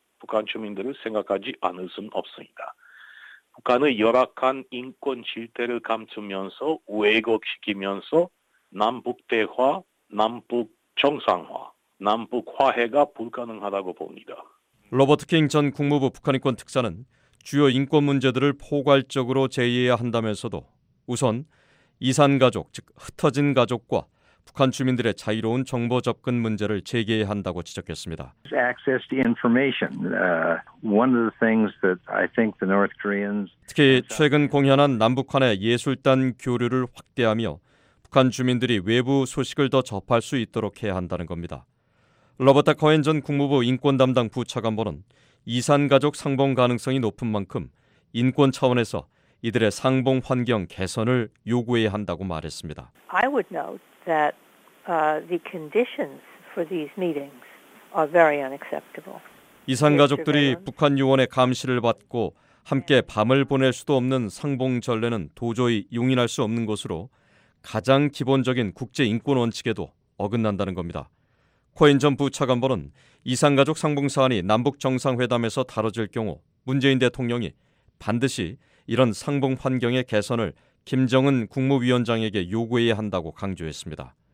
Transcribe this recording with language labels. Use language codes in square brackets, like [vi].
[ko] 북한 주민들을 생각하지 않을 수는 없습니다. 북한의 열악한 인권 질태를 감추면서 왜곡시키면서 남북 대화, 남북 정상화, 남북 화해가 불가능하다고 봅니다. 로버트 킹 전 국무부 북한인권 특사는 주요 인권 문제들을 포괄적으로 제의해야 한다면서도 우선 이산가족, 즉 흩어진 가족과 북한 주민들의 자유로운 정보 접근 문제를 재개해야 한다고 지적했습니다. [en] Access to information. One of the things that I think the North Koreans [ko] 특히 최근 공연한 남북한의 예술단 교류를 확대하며 북한 주민들이 외부 소식을 더 접할 수 있도록 해야 한다는 겁니다. 로버타 커헨 전 국무부 인권 담당 부차관보는 이산 가족 상봉 가능성이 높은 만큼 인권 차원에서 이들의 상봉 환경 개선을 요구해야 한다고 말했습니다. [en] I would note that the conditions for these meetings are very unacceptable. [ko] 이산 가족들이 북한 요원의 감시를 받고 함께 밤을 보낼 수도 없는 상봉 전례는 도저히 용인할 수 없는 것으로 가장 기본적인 국제 인권 원칙에도 어긋난다는 겁니다. 코인 전 부차관보는 이산 가족 상봉 사안이 남북 정상회담에서 다뤄질 경우 문재인 대통령이 반드시 이런 상봉 환경의 개선을 김정은 국무위원장에게 요구해야 한다고 강조했습니다.